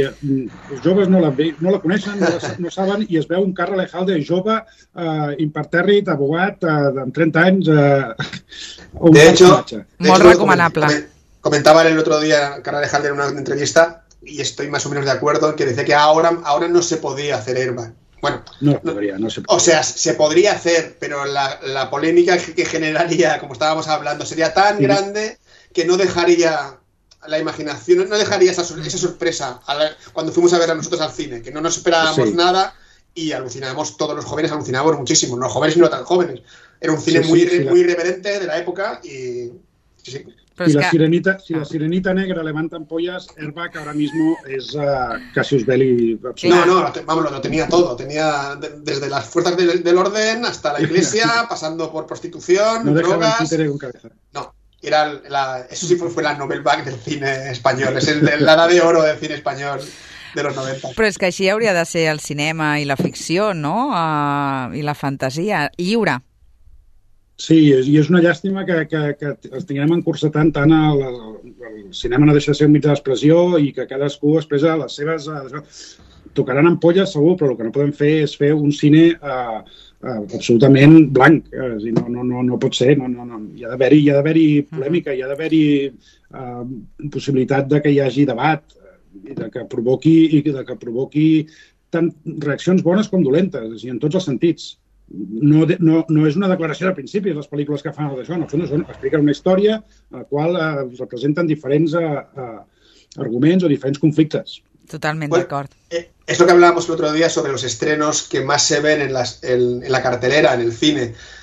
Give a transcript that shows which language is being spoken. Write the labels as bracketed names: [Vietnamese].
[Catalan] Els joves no la coneixen, no saben, i es veu un Carla Lejalde jove, impertèrrit, abogat, amb 30 anys. Molt recomanable. [Spanish] Comentaba el otro día Carla Lejalde en una entrevista, y estoy más o menos de acuerdo, que decía que ahora no se podía hacer Airbag. Bueno, no se podría. O sea, se podría hacer, pero la polémica que generaría, como estábamos hablando, sería tan grande que no dejaría la imaginación, no dejaría esa sorpresa cuando fuimos a ver a nosotros al cine, que no nos esperábamos nada y alucinábamos, todos los jóvenes alucinábamos muchísimo, no jóvenes y no tan jóvenes. Era un cine muy irreverente de la época y... Sí. Pues la Sirenita Negra levanta ampollas, Airbag ahora mismo es Cassius Belli. Lo tenía todo. Tenía desde las fuerzas del orden hasta la iglesia, pasando por prostitución, no drogas. No dejaba el títere con cabeza. No, era eso sí fue la Nobel Bag del cine español. Es la edad de oro del cine español de los 90. [Catalan] Però és que així hauria de ser el cinema i la ficció, no? I la fantasia lliure. Sí, i és una llàstima que els tinguem encursetant tant el cinema no deixa de ser un mitjà d'expressió i que cadascú expressa les seves... Tocaran ampolles, segur, però el que no podem fer és fer un cine absolutament blanc. No pot ser. No. Hi ha d'haver-hi polèmica, hi ha d'haver-hi possibilitat de que hi hagi debat i de que provoqui, tant reaccions bones com dolentes, i en tots els sentits. No és una declaració de principis les pel·lícules que fan d'això, en el fons expliquen una història a la qual representen diferents arguments o diferents conflictes. Totalment d'acord. És el que [Spanish] hablábamos el otro día sobre los estrenos que más se ven en la cartelera, en el cine.